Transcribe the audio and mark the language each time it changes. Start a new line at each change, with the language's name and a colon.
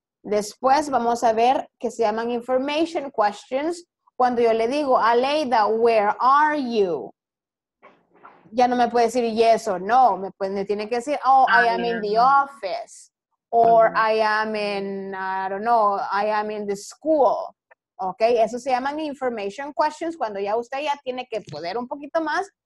Spanish: Después vamos a ver que se llaman information questions. Cuando yo le digo, Aleida,
English: where are you?
Spanish: Ya no me puede decir yes or no. Me tiene que decir,
English: oh, I am in the office. Or I am in, I don't know, I am in the school.
Spanish: Okay, eso se llaman information questions. Cuando ya usted ya tiene que poder un poquito más.